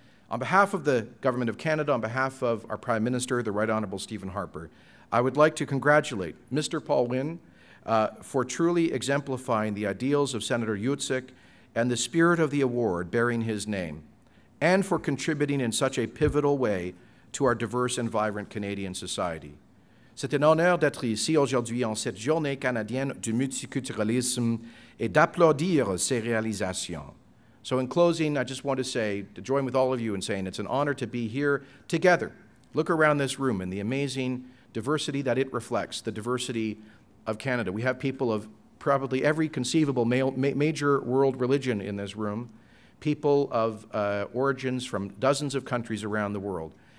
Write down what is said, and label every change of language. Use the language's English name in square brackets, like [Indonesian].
[English] On behalf of the Government of Canada, on behalf of our Prime Minister, the Right Honourable Stephen Harper, I would like to congratulate Mr. Paul Nguyen for truly exemplifying the ideals of Senator Yuzyk and the spirit of the award bearing his name, and for contributing in such a pivotal way to our diverse and vibrant Canadian society. [French] C'est un honneur d'être ici aujourd'hui en cette journée canadienne du multiculturalisme et d'applaudir ses réalisations. [English] So in closing, I just want to say, to join with all of you in saying it's an honor to be here together. Look around this room and the amazing diversity that it reflects, the diversity of Canada. We have people of probably every conceivable major world religion in this room, people of origins from dozens of countries around the world.